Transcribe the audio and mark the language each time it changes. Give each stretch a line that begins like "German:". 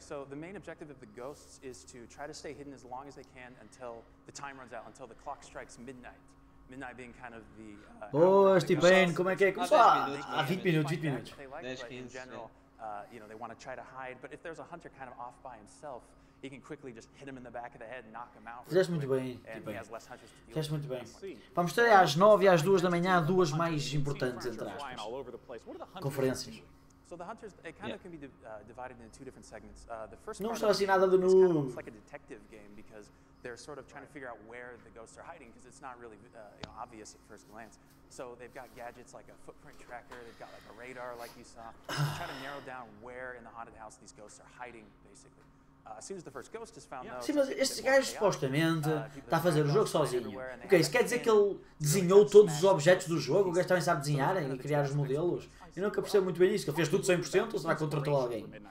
English: So the main objective of the ghosts is to try to stay hidden as long as they can until the time runs out, until the clock strikes midnight. Midnight being kind of the...
Portuguese: Boas, Tipane, como é que é? Como está? Há 20 minutos.
English: In general, you know, they want to try to hide. But if there's a hunter kind of off by himself, he can quickly just hit him in the back of the head and knock him out.
Portuguese: Fizeste muito bem. Fizeste muito bem. Vamos ter às 9 e às 2 da manhã duas mais importantes, entre aspas. Conferências.
English: So the hunters, it kind of can be divided into two different segments. The first part is kind of looks like a detective game because they're sort of trying to figure out where the ghosts are hiding because it's not really obvious at first glance. So they've got gadgets like a footprint tracker, they've got like a radar like you saw. They're trying to narrow down where in the haunted house these ghosts are hiding, basically. As soon as the first ghost is found,
Portuguese: sim, mas este gajo supostamente está a fazer o jogo sozinho. Ok, isso quer dizer que ele desenhou todos os objetos do jogo? O gajo também sabe desenhar e criar os modelos? Eu nunca percebo muito bem isso, que ele fez tudo 100% ou será que contratou alguém?